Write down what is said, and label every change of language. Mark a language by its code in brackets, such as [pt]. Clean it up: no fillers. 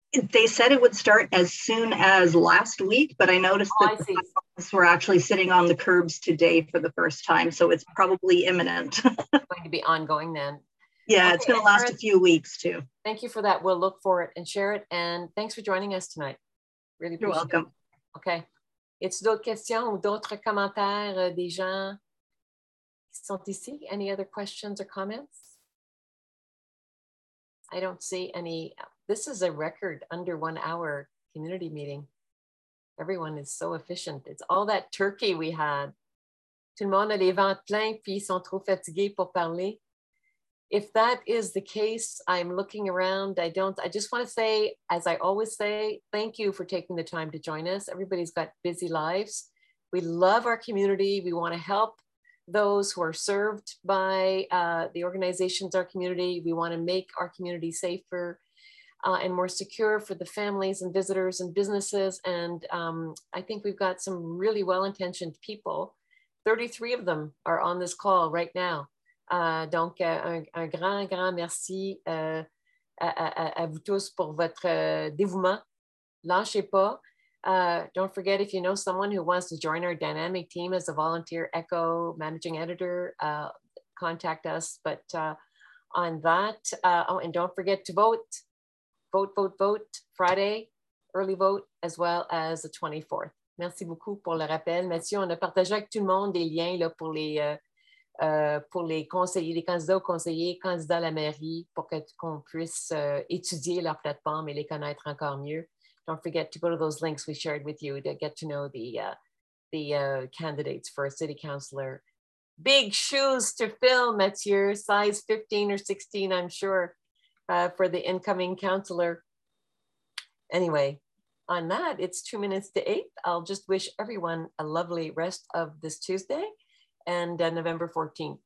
[en] They said it would start as soon as last week, but I noticed that the platforms were actually sitting on the curbs today for the first time, so it's probably imminent. It's going to be ongoing then. Yeah, okay, it's going to last a few weeks too. Thank you for that. We'll look for it and share it, and thanks for joining us tonight. Really appreciate it. You're welcome. Okay. [fr] Y'a-t-il d'autres questions ou d'autres commentaires des gens qui sont ici? [en] Any other questions or comments? I don't see any. This is a record under 1 hour community meeting. Everyone is so efficient. It's all that turkey we had. [fr] Tout le monde a les ventres pleins puis ils sont trop fatigués pour parler. [en] If that is the case, I'm looking around. I just want to say, as I always say, thank you for taking the time to join us. Everybody's got busy lives. We love our community. We want to help those who are served by the organizations, our community. We want to make our community safer and more secure for the families and visitors and businesses. And I think we've got some really well-intentioned people. 33 of them are on this call right now. [fr] Donc, un grand, grand merci à vous tous pour votre dévouement. Lâchez pas. [en] Don't forget, if you know someone who wants to join our dynamic team as a volunteer ECHO managing editor, contact us. But on that, oh, and don't forget to vote Friday, early vote, as well as the 24th. [fr] Merci beaucoup pour le rappel. Mathieu, on a partagé avec tout le monde des liens là, pour les conseillers, les candidats aux conseillers, candidats à la mairie, pour qu'on puisse étudier leur plateforme et les connaître encore mieux. [en] Don't forget to go to those links we shared with you to get to know the candidates for a city councilor. Big shoes to fill, Mathieu, size 15 or 16, I'm sure, for the incoming councilor. Anyway, on that, it's 2:02. I'll just wish everyone a lovely rest of this Tuesday and November 14th.